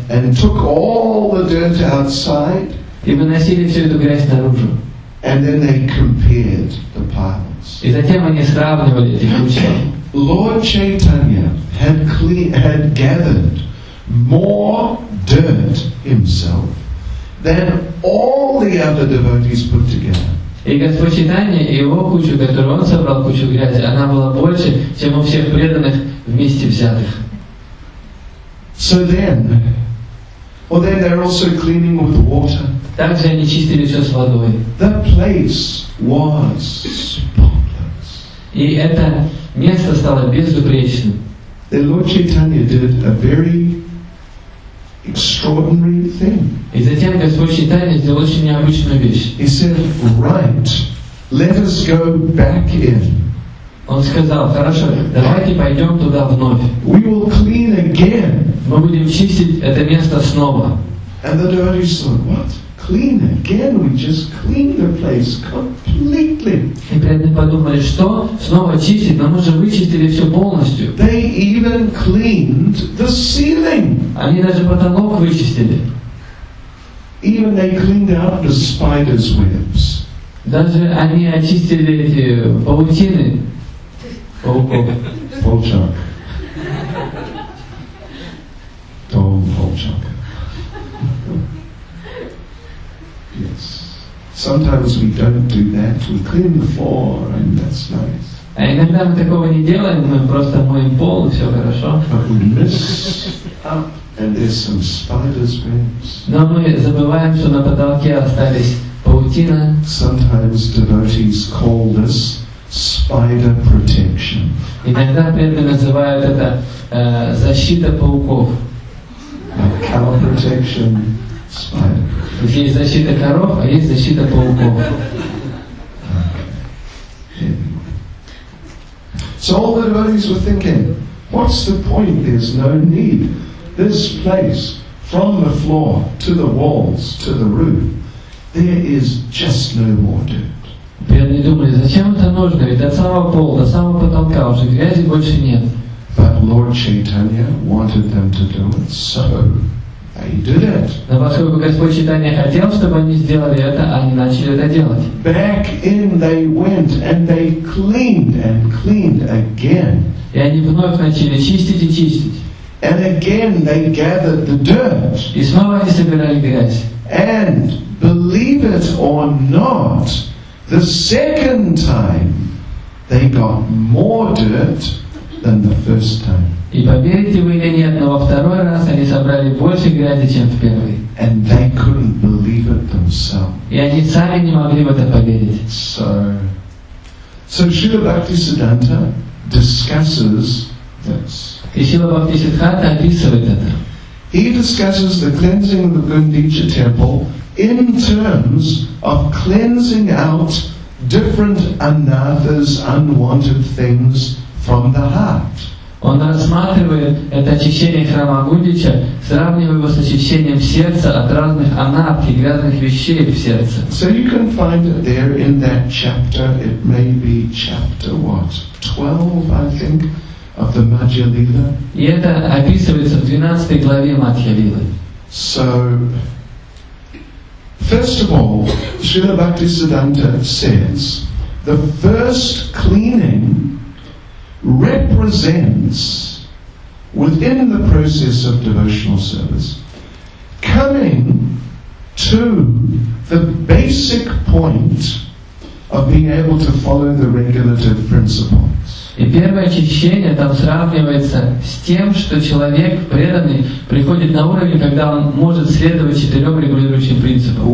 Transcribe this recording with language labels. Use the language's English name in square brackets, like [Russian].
[English] And took all the dirt outside. [Russian] И выносили всю эту грязь наружу. [English] And then they compared the piles. [Russian] И затем они сравнивали эти кучи. [English] Lord Chaitanya had gathered more dirt himself than all the other devotees put together. [Russian] И Господь Чайтанья, и его кучу, которую он собрал, кучу грязи, она была больше, чем у всех преданных вместе взятых. [English] So then, well then they're also cleaning with water. [Russian] Также они чистили все с водой. [English] The place was spotless. [Russian] И это место стало безупречным. [English] The Lord Chaitanya did a very extraordinary thing. [Russian] И затем Господь Чайтанья сделал очень необычную вещь. [English] He said, "Right, let us go back in." [Russian] Он сказал, хорошо, давайте пойдем туда вновь. [English] We will clean again. [Russian] Мы будем чистить это место снова. [English] And the devotees thought, "What? Clean again? We just cleaned the place completely." [Russian] И преданные подумали, что снова чистить, но мы же вычистили все полностью. [English] They even cleaned the ceiling. [Russian] Они даже потолок вычистили. [English] Even they cleaned out the spiders' webs. [Russian] Даже они очистили эти паутины. Пауков. Полчак. Том Полчак. [English] Yes. Sometimes we don't do that. We clean the floor and that's nice. [Russian] А иногда мы такого не делаем, мы просто моем пол, и все хорошо. [English] But we miss up and there's some spiders' webs. [Russian] Но мы забываем, что на потолке остались паутина. [English] Sometimes devotees call this spider protection. [Russian] Иногда преданные называют это защита пауков. [English] Cow protection, spider protection. [Russian] Есть защита коров, а есть защита пауков. [English] So all the devotees were thinking, what's the point? There's no need. This place, from the floor to the walls to the roof, there is just no more dirt. [Russian] Преданные думали, зачем это нужно? Ведь от самого пола до самого потолка уже грязи больше нет. [English] But Lord Chaitanya wanted them to do it, so they did it. [Russian] Но поскольку Господь Чайтанья хотел, чтобы они сделали это, они начали это делать. [English] Back in they went and they cleaned and cleaned again. [Russian] И они вновь начали чистить и чистить. [English] And again they gathered the dirt. [Russian] И снова они собирали грязь. [English] And believe it or not, the second time they got more dirt than the first time. [Russian] И поверьте вы или нет, но во второй раз они собрали больше грязи, чем в первый. [English] And they couldn't believe it themselves. [Russian] И они сами не могли в это поверить. [English] So Śrīla Bhaktisiddhānta discusses this. [Russian] И Шрила Бхактисиддханта описывает это. [English] He discusses the cleansing of the Gundicha temple in terms of cleansing out different anathas, unwanted things from the heart. [Russian] Он рассматривает это очищение храма Гундича, сравнивая его с очищением сердца от разных анат и грязных вещей в сердце. [English] So you can find it there in that chapter. It may be chapter what? 12, I think. Of the Madhyalila. [Russian] И это описывается в 12 главе Мадхья-лилы. [English] So, First of all, Srila Bhaktisiddhanta says, the first cleaning represents, within the process of devotional service, coming to the basic point of being able to follow the regulative principles. [Russian] И первое очищение там сравнивается с тем, что человек преданный приходит на уровень, когда он может следовать четырем регулирующим принципам.